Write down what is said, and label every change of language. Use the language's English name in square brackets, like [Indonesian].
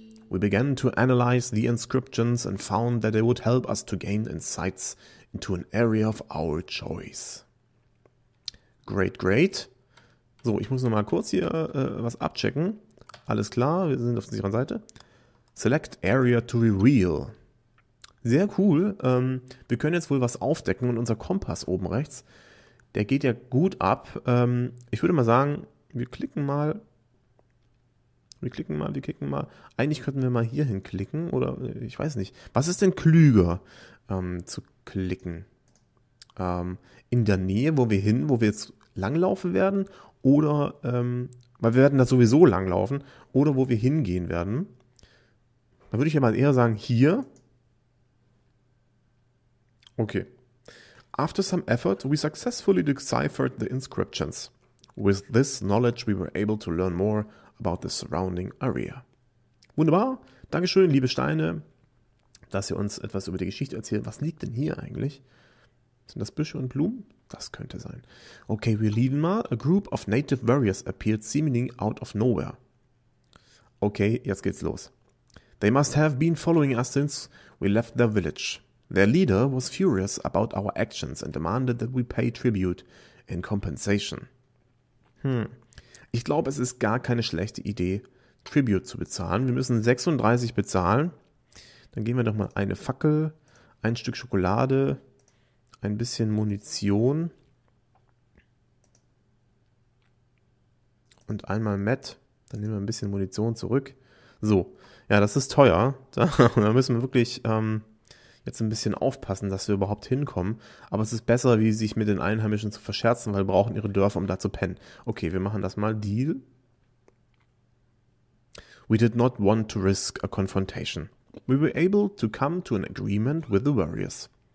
[English] We began to analyze the inscriptions and found that they would help us to gain insights into an area of our choice. Great, great. [German] So, ich muss nochmal kurz hier was abchecken. Alles klar, wir sind auf der sicheren Seite. [English] Select Area to Reveal. [German] Sehr cool. Wir können jetzt wohl was aufdecken und unser Kompass oben rechts, der geht ja gut ab. Ich würde mal sagen, wir klicken mal. Eigentlich könnten wir mal hier hinklicken oder ich weiß nicht. Was ist denn klüger zu klicken? In der Nähe, wo wir jetzt langlaufen werden oder, weil wir werden da sowieso langlaufen oder wo wir hingehen werden. Da würde ich ja mal eher sagen, hier. Okay. [English] After some effort, we successfully deciphered the inscriptions. With this knowledge, we were able to learn more about the surrounding area. [German] Wunderbar. Dankeschön, liebe Steine, dass ihr uns etwas über die Geschichte erzählt. Was liegt denn hier eigentlich? Sind das Büsche und Blumen? Das könnte sein. Okay, wir leben mal. [English] A group of native warriors appeared seemingly out of nowhere. [German] Okay, jetzt geht's los. [English] They must have been following us since we left their village. Their leader was furious about our actions and demanded that we pay tribute in compensation. [German] Ich glaube, es ist gar keine schlechte Idee, Tribute zu bezahlen. Wir müssen 36 bezahlen. Dann geben wir doch mal eine Fackel, ein Stück Schokolade, ein bisschen Munition und einmal Matt. Dann nehmen wir ein bisschen Munition zurück. So, ja, das ist teuer. Da müssen wir wirklich jetzt ein bisschen aufpassen, dass wir überhaupt hinkommen. Aber es ist besser, wie sich mit den Einheimischen zu verscherzen, weil wir brauchen ihre Dörfer, um da zu pennen. Okay, wir machen das mal. Deal. [English] We did not want to risk a confrontation. We were able to come to an agreement with the warriors.